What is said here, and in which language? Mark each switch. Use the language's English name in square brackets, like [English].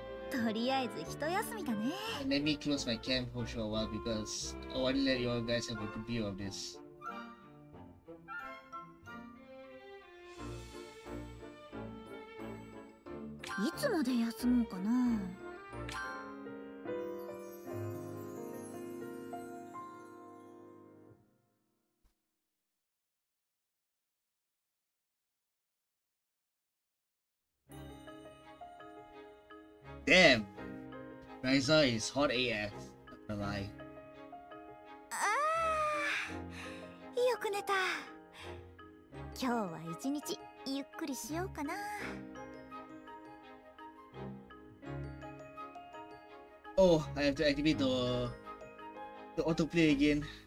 [Japanese] とりあえず一休みだね。 [English] Let me close my camp for sure while because I want to let you guys have a good view of this. [Japanese] いつまで休もうかな。 [English] Damn! Raisa is hot AF, not gonna lie. [Japanese] Ah, よく寝た。今日は一日ゆっくりしようかな。 [English] Oh, I have to activate the autoplay again.